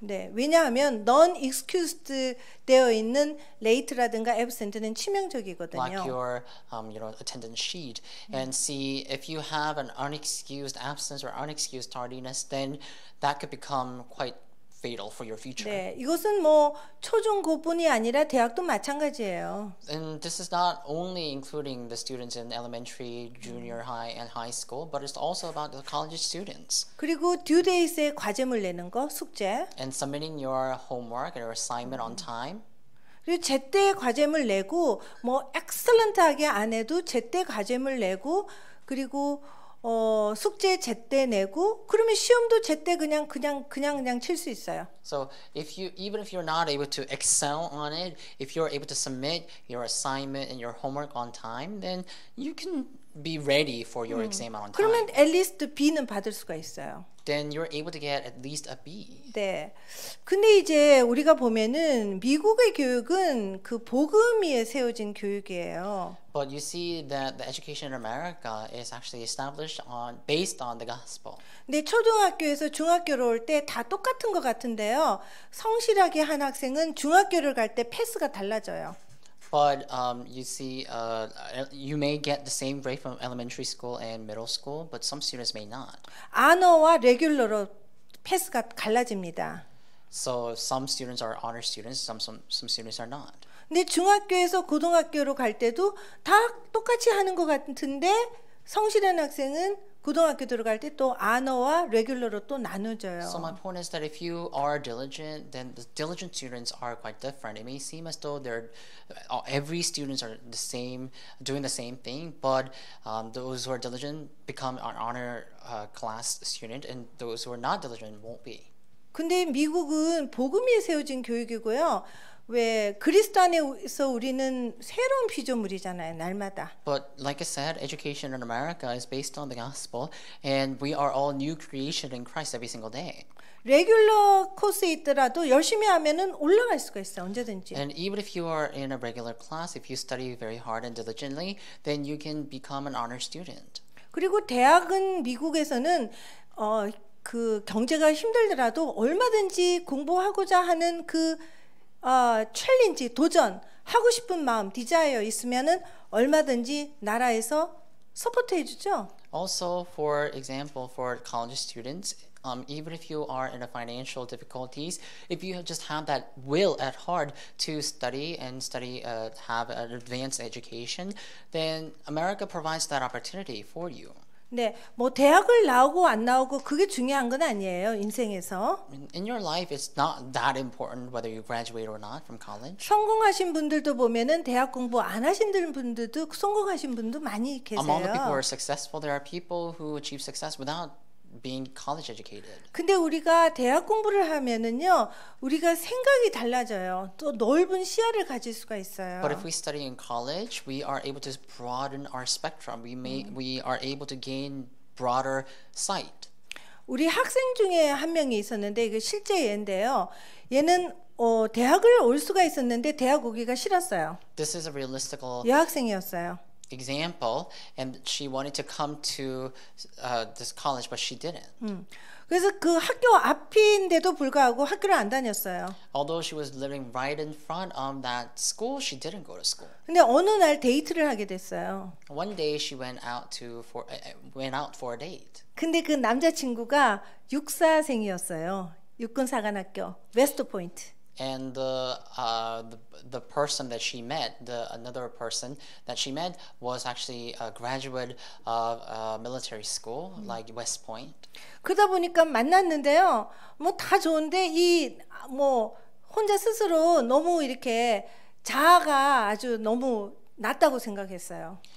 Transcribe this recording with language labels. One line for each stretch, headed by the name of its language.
Korean: 네, 왜냐하면 non-excused 되어 있는 late라든가 absent는 치명적이거든요.
English: Like your attendance sheet and see if you have an unexcused absence or unexcused tardiness, then that could become quite fatal for your future.
Korean: 네, 이것은 뭐 초중고뿐이 아니라 대학도 마찬가지예요.
English: And this is not only including the students in elementary, junior high, and high school, but it's also about the college students.
Korean: 그리고 due date에 과제물 내는 거, 숙제.
English: And submitting your homework or assignment on time.
Korean: 그리고 제때 과제물 내고 뭐 excellent하게 안 해도 제때 과제물 내고 그리고 숙제 제때 내고 그러면 시험도 제때 그냥 칠 수 있어요.
English: So if you even if you're not able to excel on it, if you're able to submit your assignment and your homework on time, then you can be ready for your exam on time.
Korean: 그러면
English: at least
Korean: B는 받을 수가 있어요.
English: Then you're able to get at least a B.
Korean: 네. 근데 이제 우리가 보면은 미국의 교육은 그 복음 위에 세워진 교육이에요.
English: But you see that the education in America is actually established on based on the gospel.
Korean: 네, 초등학교에서 중학교로 올 때 다 똑같은 것 같은데요. 성실하게 한 학생은 중학교를 갈 때 패스가 달라져요.
English: But you see, you may get the same grade from elementary school and middle school, but some students may not.
Korean: 아너와 레귤러로 패스가 갈라집니다.
English: So some students are honor students, some students are not.
Korean: 근데 중학교에서 고등학교로 갈 때도 다 똑같이 하는 것 같은데 성실한 학생은 고등학교 들어갈 때 또 아너와 레귤러로 또 나누져요.
English: So my point is that if you are diligent, then the diligent students are quite different. It may seem as though every students are the same, doing the same thing, but those who are diligent become an honor class student, and those who are not diligent won't be.
Korean: 근데 미국은 복음이 세워진 교육이고요. 왜 그리스도 안에서 우리는 새로운 피조물이잖아요, 날마다.
English: But like I said, education in America is based on the gospel, and we are all new creation in Christ every single day.
Korean: 레귤러 코스에 있더라도 열심히 하면은 올라갈 수가 있어요, 언제든지.
English: And even if you are in a regular class, if you study very hard and diligently, then you can become an honor student.
Korean: 그리고 대학은 미국에서는 그 경제가 힘들더라도 얼마든지 공부하고자 하는 그 챌린지 도전 하고 싶은 마음 디자이어 있으면은 얼마든지 나라에서 서포트 해주죠.
English: Also, for example, for college students, even if you are in a financial difficulties, if you just have that will at heart to study and study, have an advanced education, then America provides that opportunity for you.
Korean: 네, 뭐 대학을 나오고 안 나오고 그게 중요한 건 아니에요 인생에서.
English: In your life, it's not that important whether you graduate or not from college.
Korean: 성공하신 분들도 보면은 대학 공부 안 하신 분들도 성공하신 분도 많이 계세요.
English: Among the people who are successful, there are people who achieve success without being college educated.
Korean: 근데 우리가 대학 공부를 하면은요, 우리가 생각이 달라져요. 또 넓은 시야를 가질 수가 있어요.
English: But if we study in college, we are able to broaden our spectrum. We are able to gain broader sight.
Korean: 우리 학생 중에 한 명이 있었는데 이게 실제 예인데요. 얘는 대학을 올 수가 있었는데 대학 오기가 싫었어요.
English: This is a realistic
Korean: 여학생이었어요.
English: Example, and she wanted to come to this college, but she didn't.
Korean: 그래서 그 학교 앞인데도 불구하고 학교를 안 다녔어요.
English: Although she was living right in front of that school, she didn't go to school.
Korean: 근데 어느 날 데이트를 하게 됐어요.
English: One day she went out to went out for a date.
Korean: 근데 그 남자친구가 육사생이었어요. 육군사관학교, 웨스트포인트.
English: And the person that she met, another person that she met, was actually a graduate of a military school like West Point.
Korean: 그러다 보니까 만났는데요, 뭐 다 좋은데 이 뭐 혼자 스스로 너무 이렇게 자아가 아주 너무 낮다고 생각했어요.